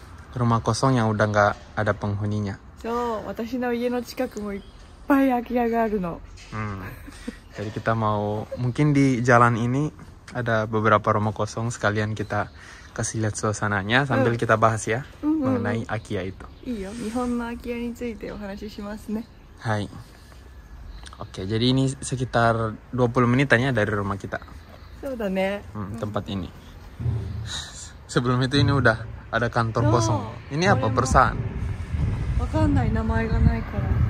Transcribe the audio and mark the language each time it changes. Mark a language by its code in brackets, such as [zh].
[id] Rumah kosong yang udah gak ada penghuninya. [ja] So, 私の家の近くもいっぱい空き家があるの。 [id] Jadi kita mau, mungkin di jalan ini ada beberapa rumah kosong, sekalian kita kasih lihat suasananya sambil kita bahas ya, mengenai空き家itu. [ja] いいよ、日本の空き家についてお話ししますね。はい。 [id] Okay, jadi ini sekitar 20 menitannya dari rumah kita. [ja] そうだね。 [id] Tempat ini. Sebelum itu ini udah. Ada kantor kosong. Ini apa perusahaan? Bukanlah nama yang [ja] ないから